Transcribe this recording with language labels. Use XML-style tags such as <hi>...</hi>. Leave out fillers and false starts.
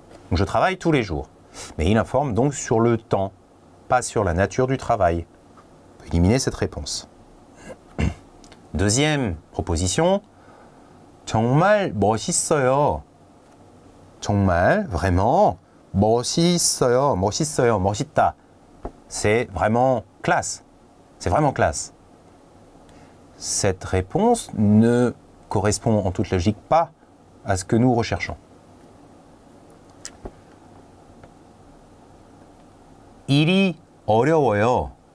<fr>Donc je travaille tous les jours. Meil informe donc sur le temps, pas sur la nature du travail. On peut éliminer cette réponse. Deuxième proposition.</fr> <ko>정말 멋있어요. 정말,</ko> <fr>vraiment,</fr> <ko>멋있어요, 멋있어요, 멋있다.</ko> <fr>C'est vraiment classe. Cette réponse ne correspond en toute logique pas à ce que nous recherchons.</fr> <ko>일이 어려워요.</ko>